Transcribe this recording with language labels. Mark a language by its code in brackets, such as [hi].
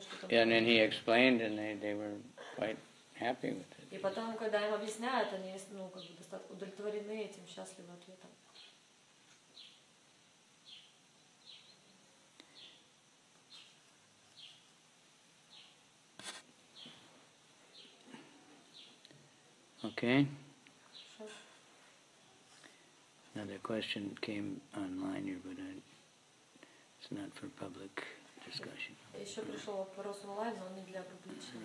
[en] And then he explained, and they were quite happy with it. [ru] И потом, когда им объясняют, они, ну, как бы удовлетворены этим, счастливы ответом. [en] Okay. Another question came online here, but it's not for public discussion. [ru] Еще пришел вопрос онлайн, но не для публичного.